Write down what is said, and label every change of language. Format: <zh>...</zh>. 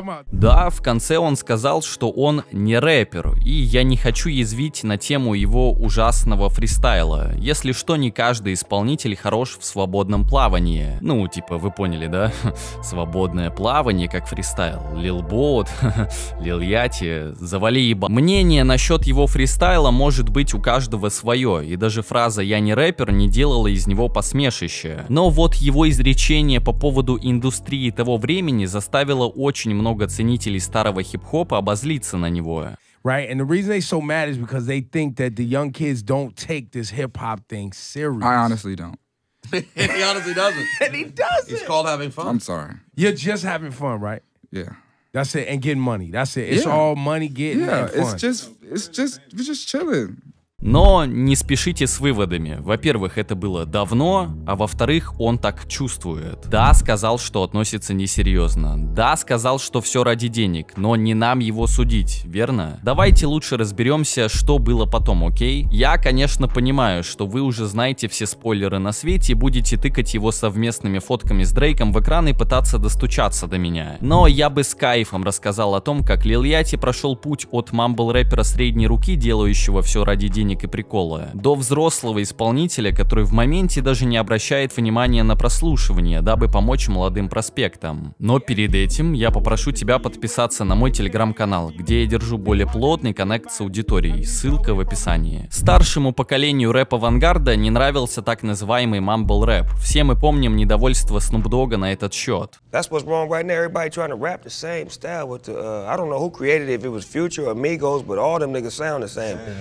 <ru>Да, в конце он сказал, что он не рэпер, и я не хочу язвить на тему его ужасного фристайла. Если что, не каждый исполнитель хорош в свободном плавании. Ну, типа, вы поняли, да? Свободное плавание, как фристайл. Lil Boat, Lil Yachty, завали ебан. Мнение насчет его фристайла может быть у каждого свое, и даже фраза «я не рэпер» не делала из него посмешище. Но вот его изречение по поводу индустрии того времени заставило очень много ценителей старого хип-хопа обозлиться на него.</ru> <en>Right, and the reason they so mad is because they think that the young kids don't take this hip-hop thing serious. I honestly don't. He honestly doesn't. And he doesn't. It's called having fun. I'm sorry. You're just having fun, right? Yeah. That's it, and getting money. That's it. It's all money getting and fun. It's just chilling.</en> <ru>Но не спешите с выводами. Во-первых, это было давно, а во-вторых, он так чувствует. Да, сказал, что относится несерьезно. Да, сказал, что все ради денег, но не нам его судить, верно? Давайте лучше разберемся, что было потом, окей? Я, конечно, понимаю, что вы уже знаете все спойлеры на свете и будете тыкать его совместными фотками с Дрейком в экран и пытаться достучаться до меня. Но я бы с кайфом рассказал о том, как Лил Яти прошел путь от мамбл-рэпера средней руки, делающего все ради денег, и прикола, до взрослого исполнителя, который в моменте даже не обращает внимания на прослушивание, дабы помочь молодым проспектам. Но перед этим я попрошу тебя подписаться на мой телеграм-канал, где я держу более плотный коннект с аудиторией, ссылка в описании. Старшему поколению рэп-авангарда не нравился так называемый мамбл рэп. Все мы помним недовольство Snoop Dogg на этот счет.</ru> <en>That's what's wrong right now, everybody trying to rap the same style with the, I don't know who created it, if it was Future or Migos, but all them niggas sound the same.</en>